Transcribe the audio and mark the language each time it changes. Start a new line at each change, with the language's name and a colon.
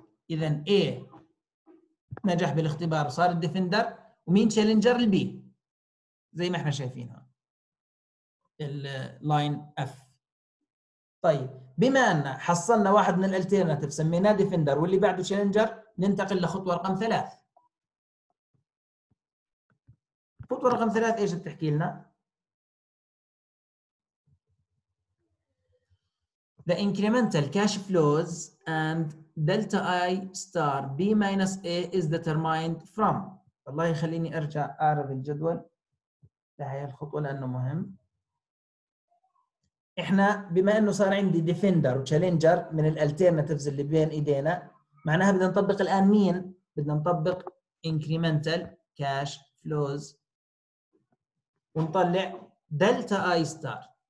Arabic: إذن إيه نجح بالاختبار وصار الديفندر، ومين تشالنجر؟ البي، زي ما احنا شايفينها اللاين اف. طيب بما ان حصلنا واحد من الالتيرناتيف سميناه ديفندر واللي بعده تشالنجر، ننتقل لخطوه رقم ثلاث. خطوه رقم ثلاث ايش بتحكي لنا؟
English: The incremental cash flows and delta I star B minus A is determined from.
Arabic: الله يخليني أرجع أعرض الجدول لهي الخطوة لأنه مهم. إحنا بما أنه صار عندي defender و challenger من الالتيرناتيفز اللي بين إيدينا، معناها بدنا نطبق الآن مين؟ بدنا نطبق incremental cash flows ونطلع delta I star.